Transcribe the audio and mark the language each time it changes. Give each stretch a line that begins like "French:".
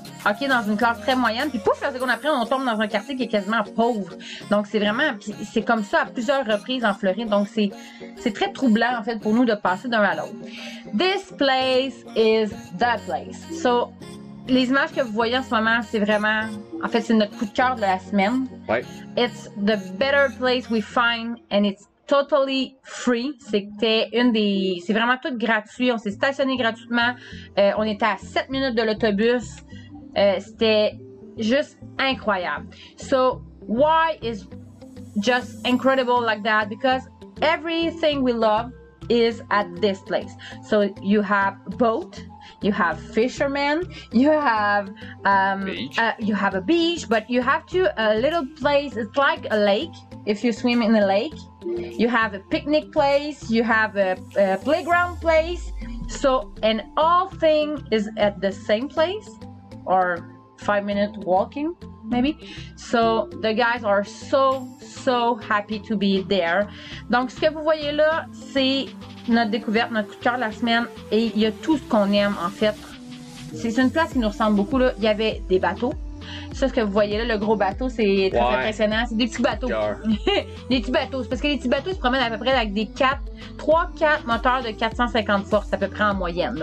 French: Ok, dans une classe très moyenne, puis pouf, la seconde après, on tombe dans un quartier qui est quasiment pauvre. Donc, c'est vraiment, c'est comme ça à plusieurs reprises en Floride. Donc, c'est très troublant, en fait, pour nous de passer d'un à l'autre.
English: This place is the place. So,
French: les images que vous voyez en ce moment, c'est vraiment, en fait, c'est notre coup de cœur de la semaine. Ouais.
English: It's the better place we find, and it's totally free.
French: C'était une des. C'est vraiment tout gratuit. On s'est stationné gratuitement. On était à 7 minutes de l'autobus. C'était juste incroyable.
English: So, why is just incredible like that? Because everything we love is at this place. So, you have boat, you have fishermen, you have a beach, but you have to a little place. It's like a lake. If you swim in a lake, you have a picnic place, you have a playground place. So, and all thing is at the same place. Or 5 minute walking, maybe. So the guys are so happy to be there.
French: Donc ce que vous voyez là, c'est notre découverte, notre coup de cœur de la semaine, et il y a tout ce qu'on aime en fait. C'est une place qui nous ressemble beaucoup là. Il y avait des bateaux. Ça, ce que vous voyez là, le gros bateau, c'est très ouais. Impressionnant. C'est des petits bateaux. Des petits bateaux. C'est parce que les petits bateaux, ils se promènent à peu près avec des 3-4 moteurs de 450 forces à peu près en moyenne.